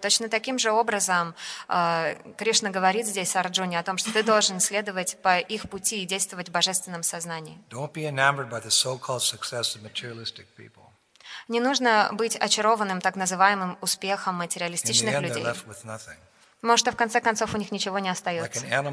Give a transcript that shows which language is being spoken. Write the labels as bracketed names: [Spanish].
[Russian] Точно таким же образом Кришна говорит здесь Арджуне о том, что ты должен следовать по их пути и действовать в божественном сознании. [English] Don't be enamored by the so-called success of materialistic people. [Russian] Не нужно быть очарованным так называемым успехом материалистичных людей. Может, в конце концов у них ничего не остается.